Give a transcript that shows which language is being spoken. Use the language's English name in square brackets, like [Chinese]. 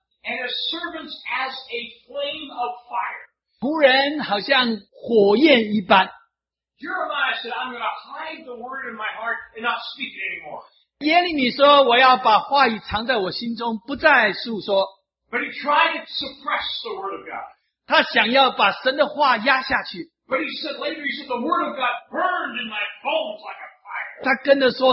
[English] and a servant as a flame of fire. [Chinese] 仆人好像火焰一般, [English] Jeremiah said, I'm going to hide the word in my heart and not speak it anymore. [Chinese] 耶利米说, 我要把话语藏在我心中, 不再述说, [English] but he tried to suppress the word of God. [Chinese] 他想要把神的话压下去, [English] but he said later, he said, the word of God burned in my bones like a